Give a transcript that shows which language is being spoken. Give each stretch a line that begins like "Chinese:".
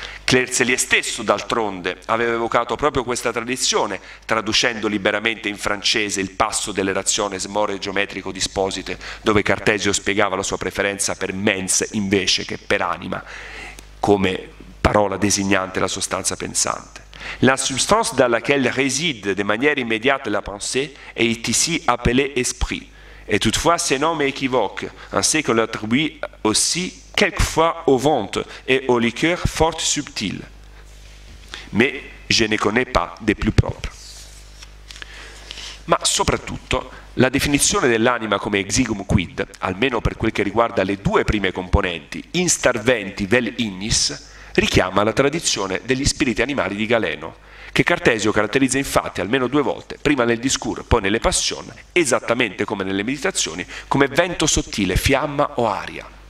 Italian: Clerselier stesso, d'altronde, aveva evocato proprio questa tradizione, traducendo liberamente in francese il passo dell'erazione smore geometrico disposite, dove Cartesio spiegava la sua preferenza per mens invece che per anima, come parola designante la sostanza pensante.
French: La substance dans laquelle réside de manière immédiate la pensée est ici appelée esprit. Et toutefois, ce nom est équivoque, ainsi qu'on l'attribue aussi quelquefois au vent et au liqueur fort subtil. Mais je ne connais pas de plus propre.
Italian: Ma soprattutto, la definizione dell'anima come
Latin: exigum quid,
Italian: almeno per quel che riguarda le due prime componenti,
Latin: instar venti vel ignis,
Italian: richiama la tradizione degli spiriti animali di Galeno, che Cartesio caratterizza infatti almeno due volte, prima nel discur, poi nelle passioni, esattamente come nelle meditazioni, come vento sottile, fiamma o aria.